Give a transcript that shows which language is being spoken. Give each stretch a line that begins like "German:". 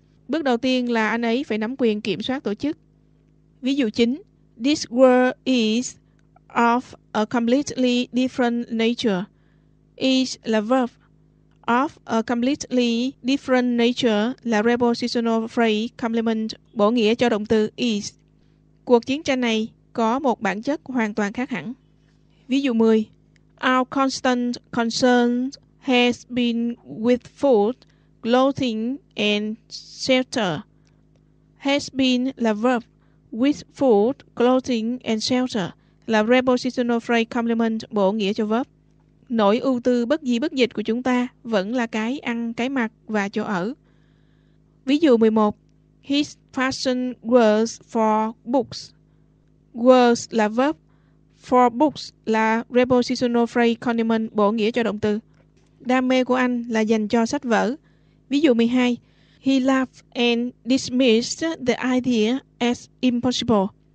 Vietnamese: Bước đầu tiên là anh ấy phải nắm quyền kiểm soát tổ chức. Ví dụ 9.
English: This world is of a completely different nature. Is là verb. Of a completely different nature là prepositional phrase complement
Vietnamese: bổ nghĩa cho động từ
English: is.
Vietnamese: Cuộc chiến tranh này có một bản chất hoàn toàn khác hẳn. Ví dụ 10.
English: Our constant concern has been with food, clothing and shelter. Has been là verb. With food, clothing and shelter là prepositional phrase complement
Vietnamese: bổ nghĩa cho
English: verb.
Vietnamese: Nỗi ưu tư bất di bất dịch của chúng ta vẫn là cái ăn, cái mặc và chỗ ở. Ví dụ 11.
English: His passion was for books. Was là verb. For books
Vietnamese: là
English: prepositional phrase complement
Vietnamese: bổ nghĩa cho động từ. Đam mê của anh là dành cho sách vở. Ví dụ 12.
English: He laughed and dismissed the idea as impossible.